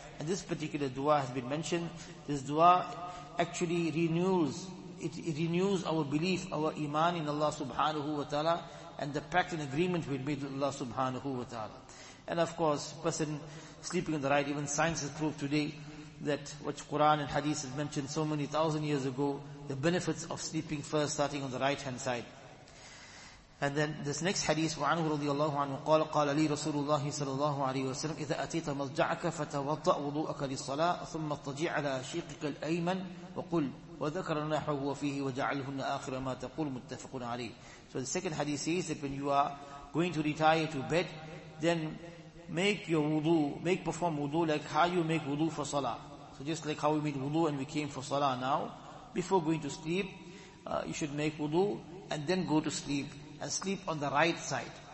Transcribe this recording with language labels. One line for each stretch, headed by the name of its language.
English: And this particular dua has been mentioned. This dua actually renews our belief, our iman in Allah subhanahu wa ta'ala, and the pact and agreement we made with Allah subhanahu wa ta'ala. And of course, person sleeping on the right, even science has proved today that what Quran and Hadith has mentioned so many thousand years ago, the benefits of sleeping first starting on the right hand side. And then this next hadith,
Arabic: وَعَنْهُ رَضِيَ اللَّهُ عَنْهُ قَالَ قَالَ لِي رَسُولُ اللَّهِ صَلَى اللَّهُ عَلَيْهِ وَسَلَمْ إِذَا أَتِيْتَ مَضْجَعَكَ فَتَوَضَّأْ وُضُوءَكَ لِلصَّلَاةِ ثُمَّ اضْطَجِعْ عَلَى شِيقِكَ الْأَيْمَنِ وَقُلْ وَذَكَرَ نَحْوَهُ فِيهِ وَجَعَلَهُنَّ آخِرَ مَا تَقُولُ مُتَّفَقٌ عَلَيْهِ.
English: So the second hadith says that when you are going to retire to bed, then make your wudu, perform wudu like how you make wudu for salah. So just like how we made wudu and we came for salah now, before going to sleep, you should make wudu and then go to sleep, and sleep on the right side.